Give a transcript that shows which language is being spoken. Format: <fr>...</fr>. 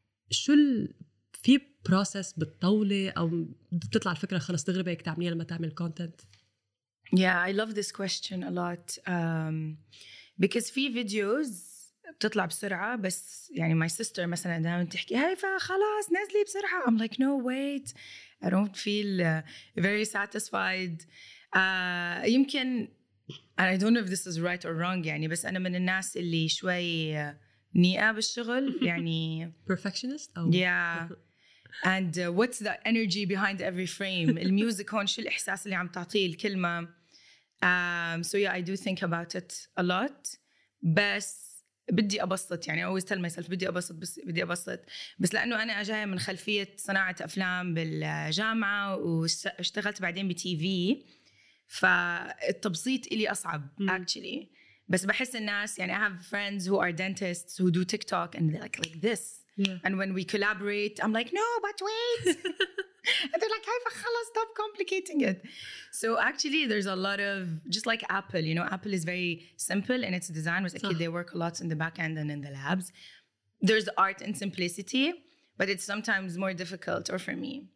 <ar>شو في بروسس بتطولي او بتطلع الفكره خلص تغربي هيك تعمليها لما تعمل كونتنت؟</ar> <en>Yeah, I love this question a lot.</en> <ar>Because في فيديوز بتطلع بسرعه, بس يعني</ar> <en>my sister</en> <ar>مثلا دائما تحكي هيفا خلاص نزلي بسرعه.</ar> <en>I'm like no wait, I don't feel very satisfied.</en> <ar>يمكن</ar> <en>And I don't know if this is right or wrong,</en> <ar>يعني بس أنا من الناس اللي شوي نيئة بالشغل, يعني</ar> <en>perfectionist. Yeah. And what's the energy behind every frame?</en> <ar>الميوزيك هون شو الإحساس اللي عم تعطيه الكلمة.</ar> <en>So yeah, I do think about it a lot.</en> <ar>بس بدي أبسط, يعني</ar> <en>always tell myself</en> <ar>بدي أبسط, بس بدي أبسط. بس لأنه أنا جاية من خلفية صناعة أفلام بالجامعة واشتغلت بعدين بتي في, فالتبسيط إلي أصعب actually. بس بحس الناس, يعني</ar> <en>I have friends who are dentists who do TikTok and they're like this. And when we collaborate, I'm like no but wait. And they're like Haifa خلاص stop complicating it. So actually there's a lot of, just like Apple, you know, Apple is very simple in its design. They work a lot in the back end and in the labs. There's art in simplicity, but it's sometimes more difficult, or for me.</en>